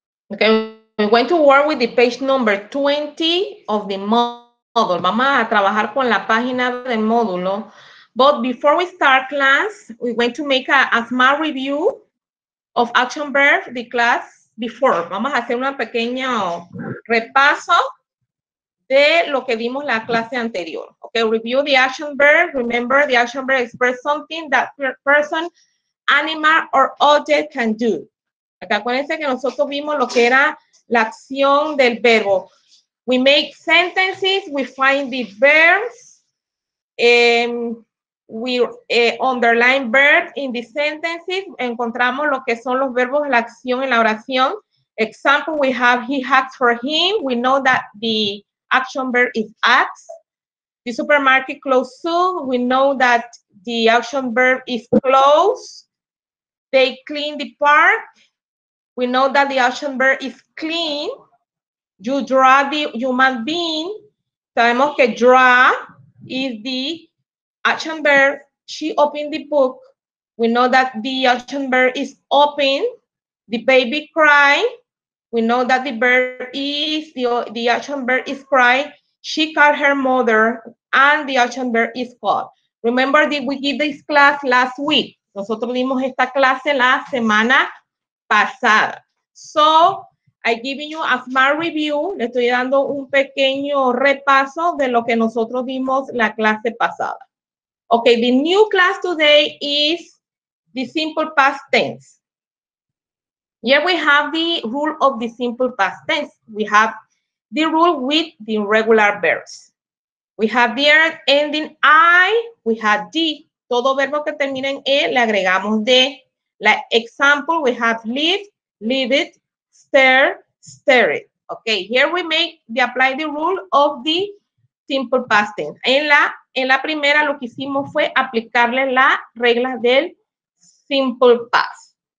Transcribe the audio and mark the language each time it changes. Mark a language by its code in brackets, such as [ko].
[en] went to work with the page number 20 of the module. [es] Vamos a trabajar con la página del módulo. [en] But before we start class, we went to make a small review of action verb, the class before. [es] Vamos a hacer un pequeño repaso de lo que vimos la clase anterior. [en] Okay, review the action verb. Remember, the action verb express something that person, animal, or object can do. [es] Acá acuérdense que nosotros vimos lo que era la acción del verbo. [en] We make sentences, we find the verbs, we underline verb in the sentences. [es] Encontramos lo que son los verbos, la acción en la oración. [en] Example, we have he hacks for him. We know that the action verb is acts. The supermarket closed soon. We know that the action verb is close. They clean the park. We know that the action verb is clean. You draw the human being. [es] Sabemos que [en] draw is the action verb. She opened the book. We know that the action verb is open. The baby cried. We know that the verb is, the action verb is cry. She called her mother, and the action verb is called. Remember that we give this class last week. [es] Nosotros dimos esta clase la semana pasada. [en] So, I'm giving you a small review. [es] Le estoy dando un pequeño repaso de lo que nosotros dimos la clase pasada. [en] Okay, the new class today is the simple past tense. Here we have the rule of the simple past tense. We have the rule with the irregular verbs. We have the ending I, we have D. [es] Todo verbo que termina en E le agregamos D. [en] Like example, we have live, lived, stare, stared. Okay, here we make the apply the rule of the simple past tense. [es] En la primera lo que hicimos fue aplicarle la regla del simple past.